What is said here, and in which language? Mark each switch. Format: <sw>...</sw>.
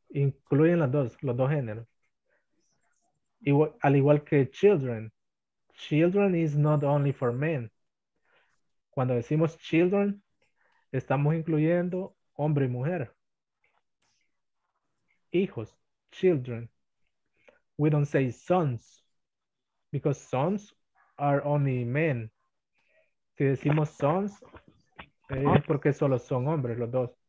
<es>Incluyen los dos géneros. Al igual que children.</es> <en>Children is not only for men.</en> <es>Cuando decimos children, estamos incluyendo hombre y mujer. Hijos, children.</es> <en>We don't say sons, because sons are only men.</en> <es>Si decimos sons, es porque solo son hombres los dos.</es>